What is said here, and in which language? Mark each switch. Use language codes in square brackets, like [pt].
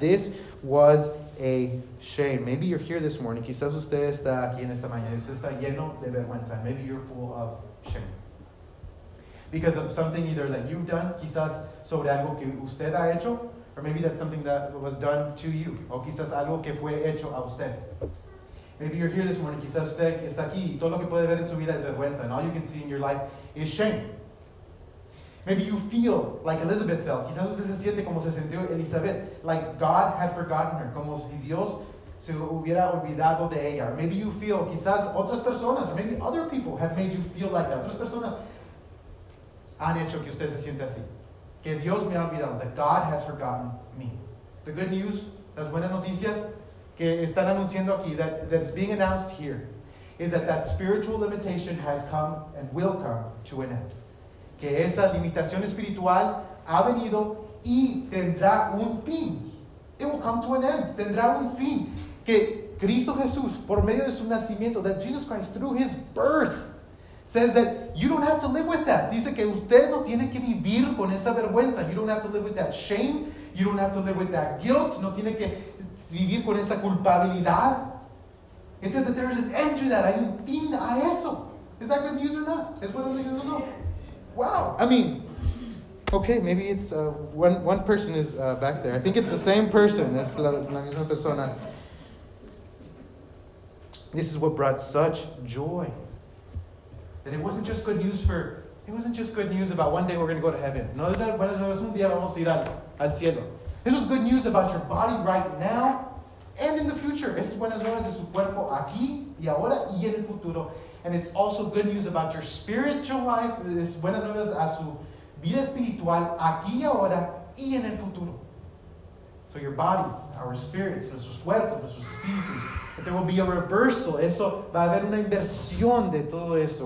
[en] This was a shame. Maybe you're here this morning. [es] Quizás usted está aquí en esta mañana. Usted está lleno de vergüenza. [en] Maybe you're full of shame. Because of something either that you've done, [es] quizás sobre algo que usted ha hecho, [en] or maybe that's something that was done to you. [es] O quizás algo que fue hecho a usted. [en] Maybe you're here this morning. [es] Quizás usted está aquí. Y todo lo que puede ver en su vida es vergüenza. [en] And all you can see in your life is shame. Maybe you feel like Elizabeth felt. [es] Quizás usted se siente como se sintió Elizabeth, [en] like God had forgotten her, [es] como si Dios se hubiera olvidado de ella. [en] Maybe you feel, [es] quizás otras personas, [en] or maybe other people have made you feel like that. [es] Otras personas han hecho que usted se siente así. Que Dios me ha olvidado, [en] that God has forgotten me. The good news, [es] las buenas noticias que están anunciando aquí, [en] that is being announced here, is that spiritual limitation has come and will come to an end. [es] Que esa limitación espiritual ha venido y tendrá un fin. [en] It will come to an end. [es] Tendrá un fin. Que Cristo Jesús, por medio de su nacimiento, [en] that Jesus Christ, through his birth, says that you don't have to live with that. [es] Dice que usted no tiene que vivir con esa vergüenza. [en] You don't have to live with that shame. You don't have to live with that guilt. [es] No tiene que vivir con esa culpabilidad. [en] It says that there is an end to that. [es] Hay un fin a eso. [en] Is that good news or not? [es] Es bueno news o no? [en] Wow, I mean, okay, maybe it's one person is back there. I think it's the same person. [es] Es la misma persona. [en] This is what brought such joy. That it wasn't just good news about one day we're going to go to heaven. [es] No, bueno, es un día vamos a ir al cielo. [en] This was good news about your body right now and in the future. [es] Es buenas nuevas de su cuerpo aquí y ahora y en el futuro. [en] And it's also good news about your spiritual life. [es] Es buenas nuevas a su vida espiritual aquí, ahora y en el futuro. [en] So your bodies, our spirits, [es] nuestros cuerpos, nuestros espíritus. [en] But there will be a reversal. [es] Eso va a haber una inversión de todo eso.